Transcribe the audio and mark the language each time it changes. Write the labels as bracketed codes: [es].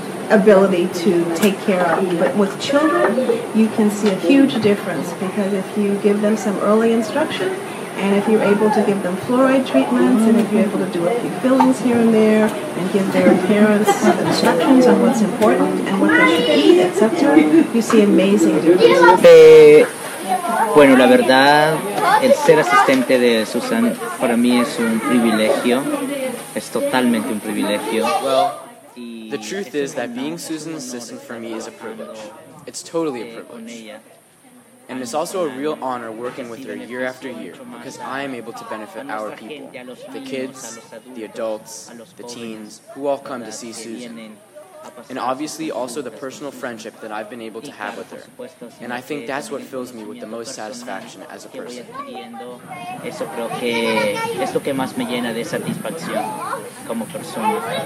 [en] ability to take care of. But with children, you can see a huge difference, because if you give them some early instruction, and if you're able to give them fluoride treatments, and if you're able to do a few fillings here and there, and give their parents instructions on what's important and what they should eat, etc., you see amazing differences. [es] Bueno, la verdad, el ser asistente de Susan para mí es un privilegio. Es totalmente un privilegio. [en] Well, the truth is that being Susan's assistant for me is a privilege. It's totally a privilege. And it's also a real honor working with her year after year, because I am able to benefit our people, the kids, the adults, the teens, who all come to see Susan. And obviously also the personal friendship that I've been able to have with her. And I think that's what fills me with the most satisfaction as a person. [es] Eso creo que es lo que más me llena de satisfacción como persona.